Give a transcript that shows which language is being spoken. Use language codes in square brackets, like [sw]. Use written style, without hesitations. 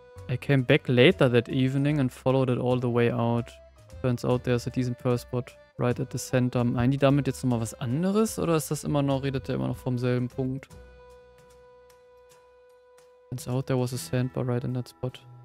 [en] I came back later that evening and followed it all the way out. Turns out there's a decent pearl spot right at the center. [de] Meinen die damit jetzt nochmal was anderes oder ist das immer noch, redet er immer noch vom selben Punkt? [en] Turns out there was a sandbar right in that spot.